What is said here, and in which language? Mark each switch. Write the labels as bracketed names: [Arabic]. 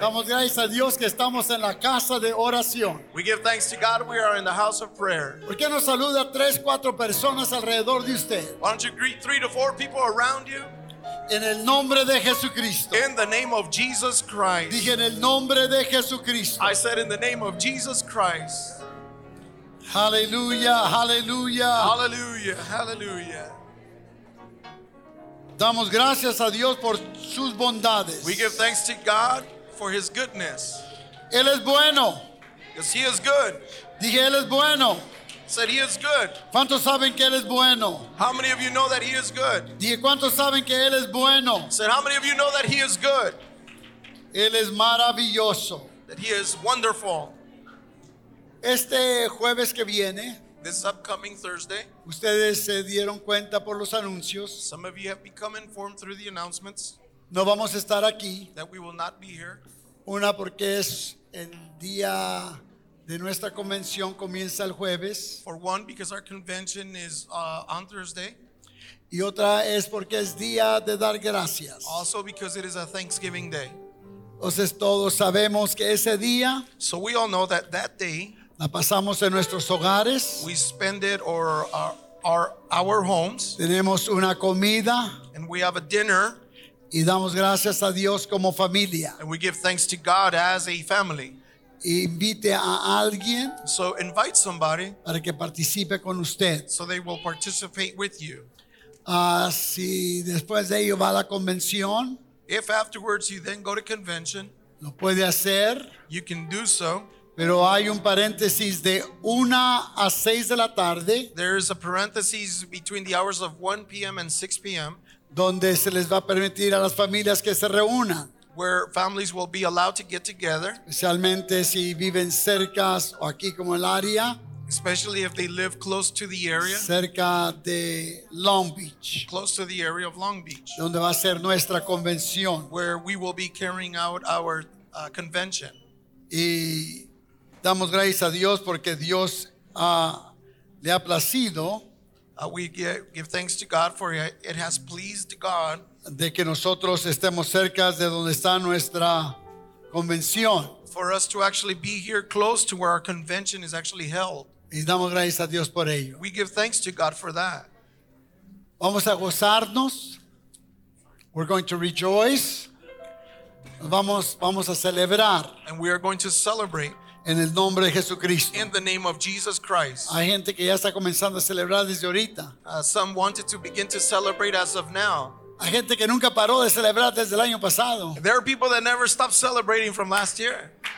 [Spanish] Damos gracias a Dios que estamos en la casa de oración. [English] We give thanks to God we are in the house of prayer. [Spanish] ¿Por qué no saluda tres, cuatro personas alrededor de usted? [English] Why don't you greet three to four people around you? [Spanish] En el nombre de Jesucristo. [English] In the name of Jesus Christ. [Spanish] Dije en el nombre de Jesucristo. [English] I said in the name of Jesus Christ. [Spanish] Hallelujah, hallelujah. [English] Hallelujah, hallelujah. [Spanish] Damos gracias a Dios por sus bondades. [English] We give thanks to God for his goodness. [Spanish] Él es bueno. [English] Because he is good. [Spanish] Dije él es bueno. [English] Said he is good. [Spanish] ¿Cuántos saben que él es bueno? [English] How many of you know that he is good? [Spanish] Dije cuántos saben que él es bueno? [English] Said how many of you know that he is good? [Spanish] Él es maravilloso. [English] That he is wonderful. [Spanish] Este jueves que viene, [English] this upcoming Thursday, [Spanish] ustedes se dieron cuenta por los anuncios. [English] Some of you have become informed through the announcements. [Spanish] No vamos a estar aquí. [English] That we will not be here. [Spanish] Una porque es el día de nuestra convención, comienza el jueves. [English] For one, because our convention is on Thursday. [Spanish] Y otra es porque es día de dar gracias. [English] Also because it is a Thanksgiving day. [Spanish] Entonces todos sabemos que ese día, [English] so we all know that that day, [Spanish] la pasamos en nuestros hogares. [English] We spend it or our homes. [Spanish] Tenemos una comida. [English] And we have a dinner. [Spanish] Y damos gracias a Dios como familia. [English] And we give thanks to God as a family. [Spanish] Invite a alguien. [English] So invite somebody. [Spanish] Para que participe con usted. [English] So they will participate with you. [Spanish] Si después de ello va a la convención. [English] If afterwards you then go to convention. [Spanish] Lo puede hacer. [English] You can do so. [Spanish] Pero hay un paréntesis de 1 a 6 de la tarde. [English] There is a parenthesis between the hours of 1 p.m. and 6 p.m. [Spanish] donde se les va a permitir a las familias que se reúnan. [English] Where families will be allowed to get together. [Spanish] Especialmente si viven cerca o aquí como el área. [English] Especially if they live close to the area. [Spanish] Cerca de Long Beach. [English] Close to the area of Long Beach. [Spanish] Donde va a ser nuestra convención. [English] Where we will be carrying out our convention. [Spanish] Y damos gracias a Dios porque Dios le ha placido. [English] We give thanks to God for it has pleased God. [Spanish] De que nosotros estemos cerca de donde está nuestra convención. [English] For us to actually be here close to where our convention is actually held. [Spanish] Y damos gracias a Dios por ello. [English] We give thanks to God for that. [Spanish] Vamos a gozarnos. [English] We're going to rejoice. [Spanish] Vamos a celebrar. [English] And we are going to celebrate. [Spanish] En el nombre de Jesucristo. [English] In the name of Jesus Christ. [Spanish] Hay gente que ya está comenzando a celebrar desde ahorita. [English] Some wanted to begin to celebrate as of now. [Spanish] Hay gente que nunca paró de celebrar desde el año pasado. [English] There are people that never stopped celebrating from last year.